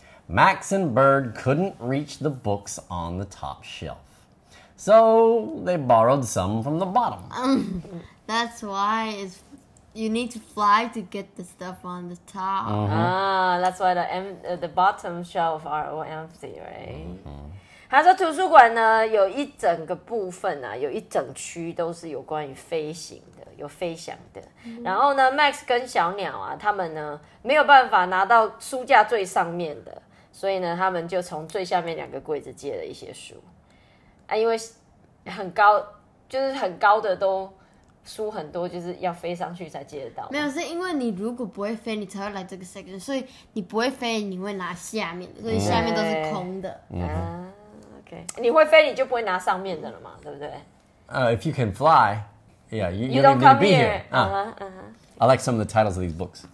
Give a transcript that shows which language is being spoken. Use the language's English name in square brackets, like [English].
[English] Max and Bird couldn't reach the books on the top shelf. So they borrowed some from the bottom. That's why it's, you need to fly to get the stuff on the top. That's why the bottom shelf are all empty, right? [Chinese] Mm-hmm. 他说图书馆呢有一整个部分啊有一整区都是有关于飞行的。有飞翔的，然后呢 ，Max 跟小鸟啊，他们呢没有办法拿到书架最上面的，所以呢，他们就从最下面两个柜子借了一些书啊，因为很高，就是很高的都书很多，就是要飞上去才借得到。没有，是因为你如果不会飞，你才会来这个 section， 所以你不会飞，你会拿下面的，所以下面都是空的。 OK， 你会飞，你就不会拿上面的了嘛，对不对？ [English] If you can fly. Yeah, you don't need to be here. I like some of the titles of these books.